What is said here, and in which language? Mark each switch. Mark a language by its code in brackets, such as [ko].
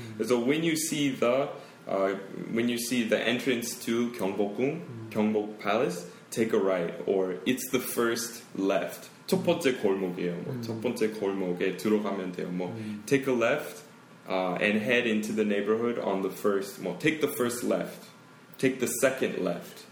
[en] 그래서 when you see the when you see the entrance to 경복궁, 경복 palace, take a right or it's the first left. [ko] 첫 번째 골목이에요. 뭐 첫 번째 골목에 들어가면 돼요. [en] 뭐 take a left and head into the neighborhood on the first. 뭐 take the first left, take the second left.